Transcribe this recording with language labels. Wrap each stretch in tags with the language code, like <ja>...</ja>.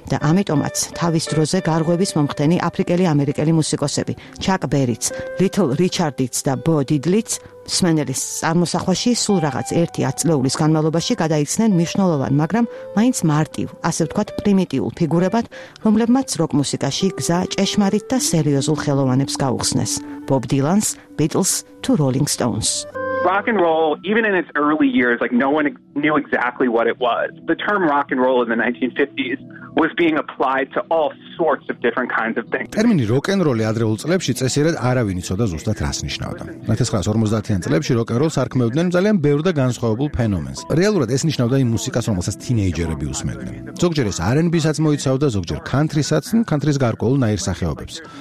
<ka>და ამიტომაც თავის დროზე გარღვევის მომხდენი აფრიკელი ამერიკელი მუსიკოსები, ჩაკ ბერიც, ლიტლ რიჩარდიც და ბო დიდლიც, სმენელის წარმოსახვაში სულ რაღაც ერთი ათწლეულის განმავლობაში გადაიცნენ მნიშვნელოვან, მაგრამ მაინც მარტივ, ასე ვთქვათ, პრიმიტიულ ფიგურებად, რომლებმაც როკ მუსიკაში გზა ჭეშმარით და სერიოზულ ხელოვანებს გაუხსნეს. ბობ დილანს, ბიტლს თუ როლინგ სტოუნს.</ka> <en>Rock and roll, even in its early years, like no one knew exactly what it was. The term rock and roll in the 1950s was being applied to all sorts of different kinds of things.</en> <ka>Termini rock and roll-ი ადრეულ წლებში წესიერად არავინ იცოდა ზუსტად რას ნიშნავდა. 1950-იან წლებში rock and roll-ს არქმევდნენ ძალიან ბევრ და განსხვავებულ ფენომენს. რეალურად ეს ნიშნავდა იმ მუსიკას, რომელსაც თინეიჯერები უსმენდნენ. ზოგჯერ ეს R&B-საც მოიცავდა, ზოგჯერ country-საც, country-ის გარკვეულ ნაირსახეობებს.</ka>